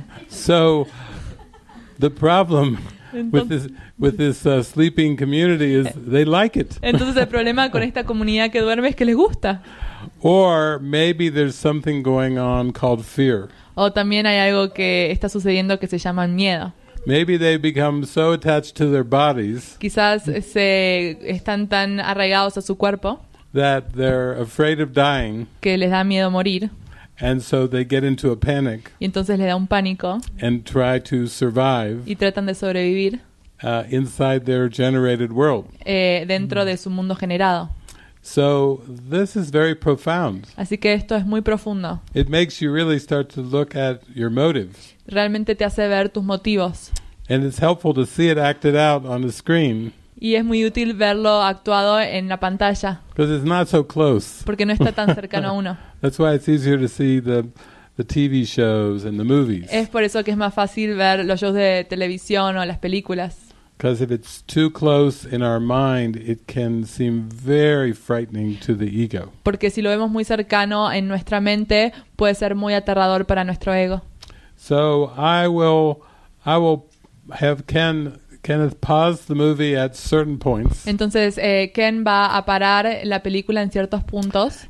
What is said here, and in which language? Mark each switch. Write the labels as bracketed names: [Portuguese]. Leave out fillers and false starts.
[English] So, the problem with this sleeping community is they like it. [Spanish] Entonces el problema con esta comunidad que duerme es que les gusta. [English] Or maybe there's something going on called fear. [Spanish] O también hay algo que está sucediendo que se llama miedo. [English] Maybe they become so attached to their bodies. [Spanish] Quizás se están tan arraigados a su cuerpo. [English] That they're afraid of dying. [Spanish] Que les da miedo morir. [English] And so they get into a panic. [Spanish] Y entonces les da un pánico. [English] And try to survive. [Spanish] Y tratan de sobrevivir. [English] Inside their generated world. [Spanish] Dentro de su mundo generado. [English] So this is very profound. [Spanish] Así que esto es muy profundo. [English] It makes you really start to look at your motives. [Spanish] Realmente te hace ver tus motivos. [English] And it's helpful to see it acted out on the screen. [Spanish] Y es muy útil verlo actuado en la pantalla. [English] Because it's not so close. [Spanish] Porque no está tan cercano a uno. [English] That's why it's easier to see the TV shows and the movies. [Spanish] Es por eso que es más fácil ver los shows de televisión o las películas. [English] Because if it's too close in our mind, it can seem very frightening to the ego. [Spanish] Porque si lo vemos muy cercano en nuestra mente, puede ser muy aterrador para nuestro ego. [English] So I will have Kenneth pause the movie at certain points. [Spanish] Entonces Ken va a parar la película en ciertos puntos.